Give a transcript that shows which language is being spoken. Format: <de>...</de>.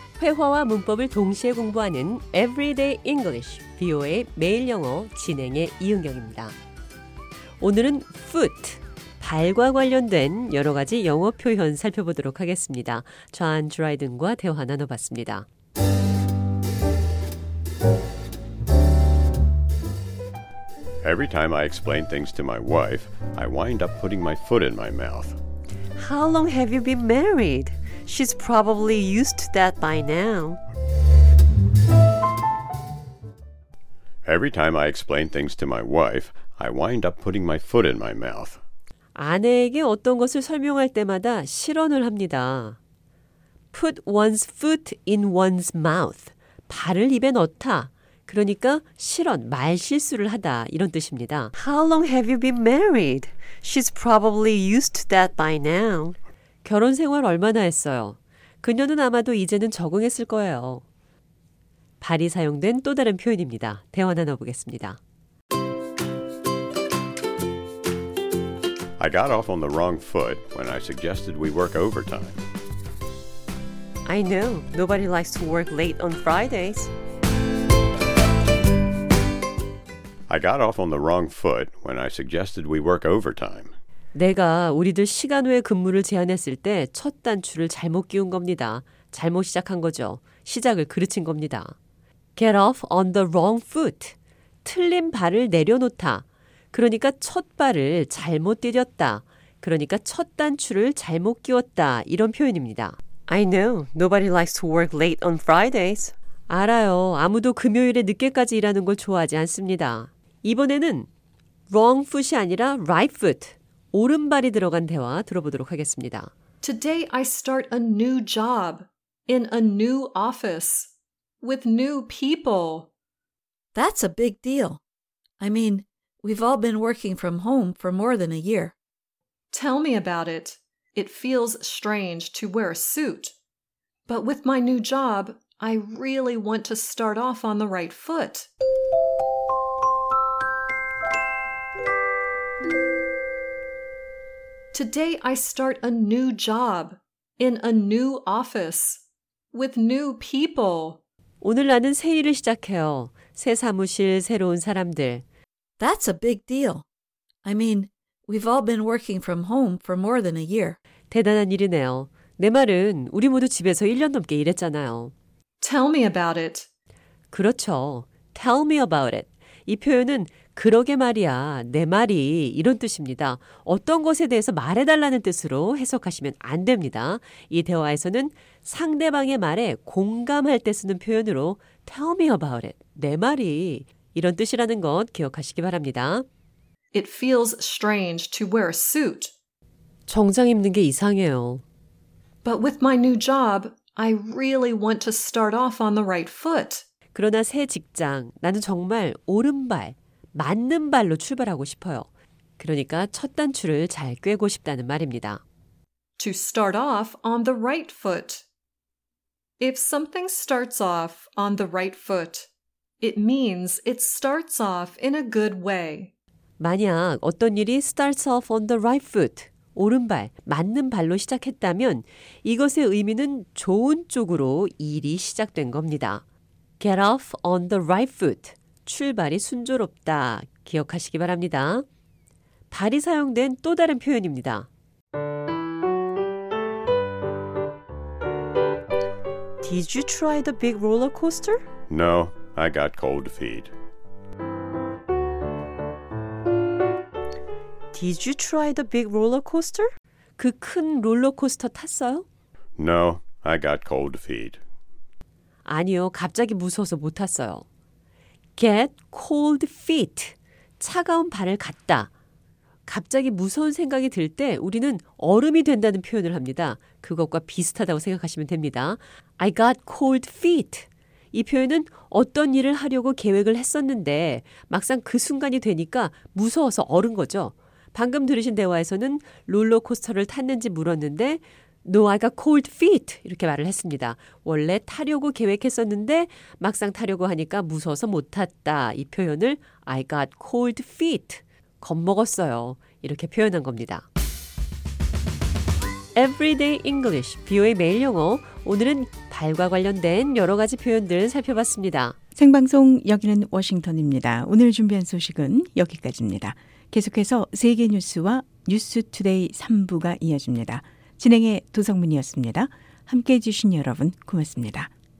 <ko>회화와 문법을 동시에 공부하는 Everyday English, VOA 매일 영어 진행의 이은경입니다. 오늘은 foot, 발과 관련된 여러 가지 영어 표현 살펴보도록 하겠습니다. 존 드라이든과 대화 나눠봤습니다.</ko> <en>Every time I explain things to my wife, I wind up putting my foot in my mouth. How long have you been married? She's probably used to that by now. Every time I explain things to my wife, I wind up putting my foot in my mouth.</en> <ko>아내에게 어떤 것을 설명할 때마다 실언을 합니다.</ko> <en>Put one's foot in one's mouth.</en> <ko>발을 입에 넣다. 그러니까 실언, 말실수를 하다 이런 뜻입니다.</ko> <en>How long have you been married? She's probably used to that by now.</en> <ko>결혼 생활 얼마나 했어요? 그녀는 아마도 이제는 적응했을 거예요. 발이 사용된 또 다른 표현입니다. 대화 나눠보겠습니다.</ko> <en>I got off on the wrong foot when I suggested we work overtime. I know. Nobody likes to work late on Fridays. I got off on the wrong foot when I suggested we work overtime.</en> <ko>내가 우리들 시간 외 근무를 제안했을 때 첫 단추를 잘못 끼운 겁니다. 잘못 시작한 거죠. 시작을 그르친 겁니다.</ko> <en>Get off on the wrong foot.</en> <ko>틀린 발을 내려놓다. 그러니까 첫 발을 잘못 디뎠다. 그러니까 첫 단추를 잘못 끼웠다. 이런 표현입니다.</ko> <en>I know. Nobody likes to work late on Fridays.</en> <ko>알아요. 아무도 금요일에 늦게까지 일하는 걸 좋아하지 않습니다. 이번에는 wrong foot이 아니라 right foot, 오른발이 들어간 대화 들어보도록 하겠습니다.</ko> <en>Today I start a new job in a new office with new people. That's a big deal. I mean, we've all been working from home for more than a year. Tell me about it. It feels strange to wear a suit. But with my new job, I really want to start off on the right foot. Today I start a new job in a new office with new people.</en> <ko>오늘 나는 새 일을 시작해요. 새 사무실, 새로운 사람들.</ko> <en>That's a big deal. I mean, we've all been working from home for more than a year.</en> <ko>대단한 일이네요. 내 말은 우리 모두 집에서 1년 넘게 일했잖아요.</ko> <en>Tell me about it.</en> <ko>그렇죠.</ko> <en>Tell me about it.</en> <ko>이 표현은 그러게 말이야, 내 말이 이런 뜻입니다. 어떤 것에 대해서 말해달라는 뜻으로 해석하시면 안 됩니다. 이 대화에서는 상대방의 말에 공감할 때 쓰는 표현으로</ko> <en>Tell me about it.</en> <ko>내 말이 이런 뜻이라는 것 기억하시기 바랍니다.</ko> <en>It feels strange to wear a suit.</en> <ko>정장 입는 게 이상해요.</ko> <en>But with my new job, I really want to start off on the right foot.</en> <ko>그러나 새 직장, 나는 정말 오른발, 맞는 발로 출발하고 싶어요. 그러니까 첫 단추를 잘 꿰고 싶다는 말입니다.</ko> <en>To start off on the right foot. If something starts off on the right foot, it means it starts off in a good way.</en> <ko>만약 어떤 일이</ko> <en>starts off on the right foot,</en> <ko>오른발, 맞는 발로 시작했다면 이것의 의미는 좋은 쪽으로 일이 시작된 겁니다.</ko> <en>Get off on the right foot.</en> <ko>출발이 순조롭다. 기억하시기 바랍니다. 발이 사용된 또 다른 표현입니다.</ko> <en>Did you try the big roller coaster? No, I got cold feet. Did you try the big roller coaster?</en> <ko>그 큰 롤러코스터 탔어요?</ko> <en>No, I got cold feet.</en> <ko>아니요, 갑자기 무서워서 못 탔어요.</ko> <en>Get cold feet.</en> <ko>차가운 발을 갖다. 갑자기 무서운 생각이 들 때 우리는 얼음이 된다는 표현을 합니다. 그것과 비슷하다고 생각하시면 됩니다.</ko> <en>I got cold feet.</en> <ko>이 표현은 어떤 일을 하려고 계획을 했었는데 막상 그 순간이 되니까 무서워서 얼은 거죠. 방금 들으신 대화에서는 롤러코스터를 탔는지 물었는데</ko> <en>No, I got cold feet</en> <ko>이렇게 말을 했습니다. 원래 타려고 계획했었는데 막상 타려고 하니까 무서워서 못 탔다. 이 표현을</ko> <en>I got cold feet</en> <ko>겁먹었어요. 이렇게 표현한 겁니다. Everyday English, 비오의 매일 영어. 오늘은 발과 관련된 여러 가지 표현들 살펴봤습니다. 생방송 여기는 워싱턴입니다. 오늘 준비한 소식은 여기까지입니다. 계속해서 세계 뉴스와 뉴스 투데이 3부가 이어집니다. 진행의 도성문이었습니다. 함께해 주신 여러분 고맙습니다.</ko>